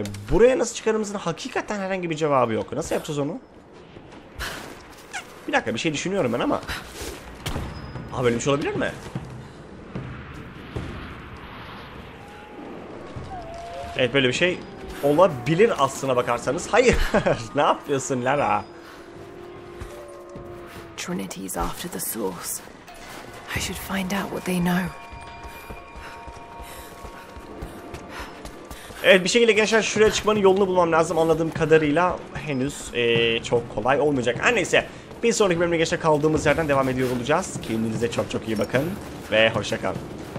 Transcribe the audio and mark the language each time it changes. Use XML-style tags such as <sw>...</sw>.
<tr>Buraya nasıl çıkarımızın hakikaten herhangi bir cevabı yok. Nasıl yapacağız onu? Bir dakika bir şey düşünüyorum ben ama. Abi ölmüş olabilir mi? Evet böyle bir şey. Olabilir aslına bakarsanız. Hayır. Ne yapıyorsun Lara?</tr> <en>Trinity is after the source. I should find out what they know.</en> <tr>Evet bir şekilde gençler şuraya çıkmanın yolunu bulmam lazım. Anladığım kadarıyla henüz çok kolay olmayacak. Her neyse bir sonraki bölümde gençler kaldığımız yerden devam ediyor olacağız. Kendinize çok çok iyi bakın ve hoşça kalın.</tr>